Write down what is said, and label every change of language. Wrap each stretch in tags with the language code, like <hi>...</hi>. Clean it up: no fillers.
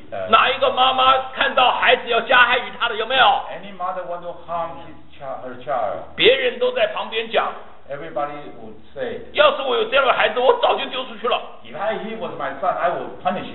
<zh>哪一个妈妈看到孩子要加害于她的有没有</zh> <en>？Any mother want to harm his child, her child?</en> <zh>别人都在旁边讲。</zh> <en>Everybody would say.</en> <zh>要是我有这样的孩子，我早就丢出去了。</zh> <en>If I he was my son, I would punish</en>